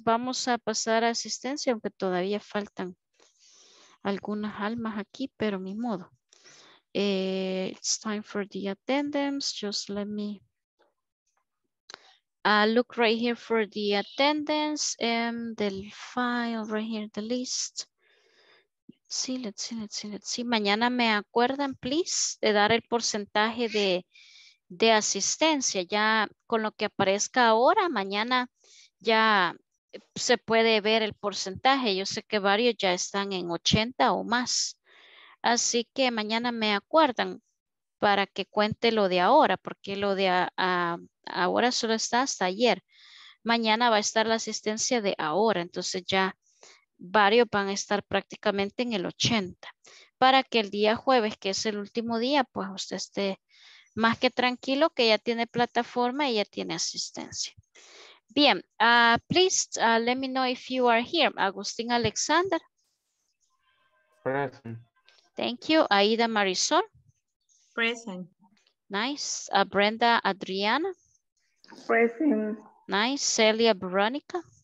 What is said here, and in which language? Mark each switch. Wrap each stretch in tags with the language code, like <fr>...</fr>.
<es>Vamos a pasar a asistencia, aunque todavía faltan algunas almas aquí, pero mi modo.</es> <en>It's time for the attendance. Just let me look right here for the attendance and the file right here, the list. Let's see.</en> <es>Mañana me acuerdan, please, de dar el porcentaje de asistencia. Ya con lo que aparezca ahora, mañana ya se puede ver el porcentaje. Yo sé que varios ya están en 80 o más. Así que mañana me acuerdan para que cuente lo de ahora, porque lo de ahora solo está hasta ayer. Mañana va a estar la asistencia de ahora, entonces ya varios van a estar prácticamente en el 80. Para que el día jueves, que es el último día, pues usted esté más que tranquilo que ya tiene plataforma y ya tiene asistencia.</es> <en>Bien, please let me know if you are here. Agustín Alexander. Present. Thank you. Aida Marisol. Present. Nice. Brenda Adriana. Present. Nice. Celia Veronica.</en>